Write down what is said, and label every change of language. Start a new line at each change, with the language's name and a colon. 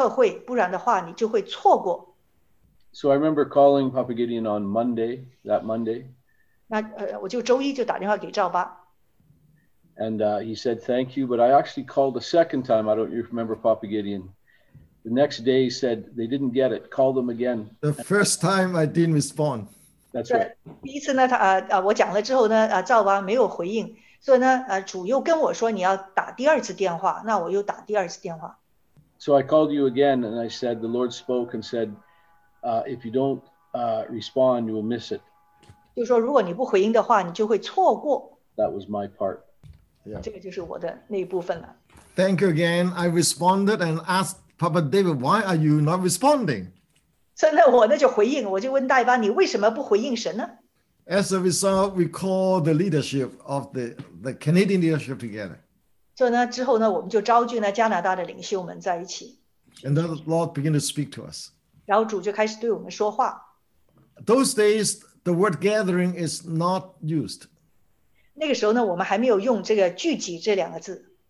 Chinese: 就是呢,就说你要打电话给赵巴,跟他说呢,你必须要有这个特会,不然的话你就会错过。
English: So I remember calling Papa Gideon on Monday, that Monday.
Chinese: 那我就周一就打电话给赵巴。
English: And he said, thank you. But I actually called the second time. I don't remember Papa Gideon. The next day he said, they didn't get it. Call them again. The first time I didn't respond. That's right.
Chinese: 第一次呢, 我讲了之后呢, 赵巴没有回应, 所以呢, 主又跟我说, 你要打第二次电话, 那我又打第二次电话。
English: So I called you again and I said, the Lord spoke and said, if you don't respond, you will miss it.
Chinese: 就说, 如果你不回应的话, 你就会错过。
English: That was my part. Yeah. Thank you again. I responded and asked Papa David, why are you not responding?
Chinese: 所以呢,我呢就回应,我就问戴巴,你为什么不回应神呢?
English: As a result, we call the leadership of the Canadian leadership together.
Chinese: 所以呢,之后呢,我们就召聚呢,加拿大的领袖们在一起。
English: And the Lord began to speak to us.
Chinese: 然后主就开始对我们说话。
English: Those days, the word gathering is not used.
Chinese: 那个时候呢,我们还没有用这个聚集这两个字。